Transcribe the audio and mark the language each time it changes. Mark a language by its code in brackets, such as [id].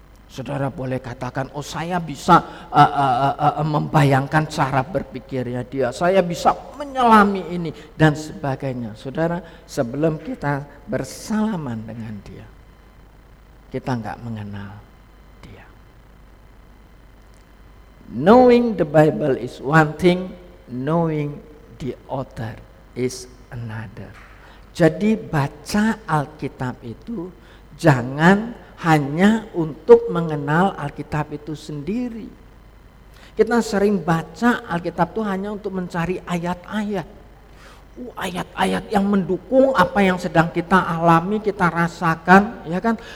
[id] Saudara boleh katakan, oh saya bisa membayangkan cara berpikirnya dia. Saya bisa menyelami ini dan sebagainya. Saudara, sebelum kita bersalaman dengan dia, kita enggak mengenal dia. [en] Knowing the Bible is one thing, knowing the author is another. [id] Jadi baca Alkitab itu jangan hanya untuk mengenal Alkitab itu sendiri. Kita sering baca Alkitab itu hanya untuk mencari ayat-ayat. Ayat-ayat yang mendukung apa yang sedang kita alami, kita rasakan, ya kan?